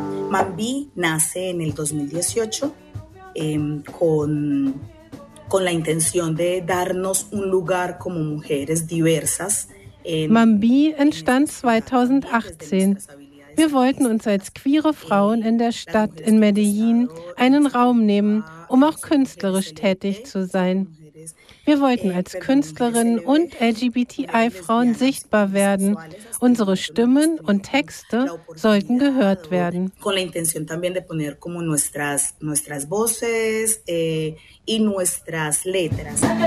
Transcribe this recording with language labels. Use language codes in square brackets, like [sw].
[es] Mambi nace en el 2018 con la intención de darnos un lugar como mujeres diversas. [de] Mambi entstand 2018. Wir wollten uns als queere Frauen in der Stadt in Medellin einen Raum nehmen, um auch künstlerisch tätig zu sein. Wir wollten als Künstlerinnen und LGBTI-Frauen sichtbar werden. Unsere Stimmen und Texte sollten gehört werden. [es] Con la intención también de poner como nuestras voces y nuestras letras.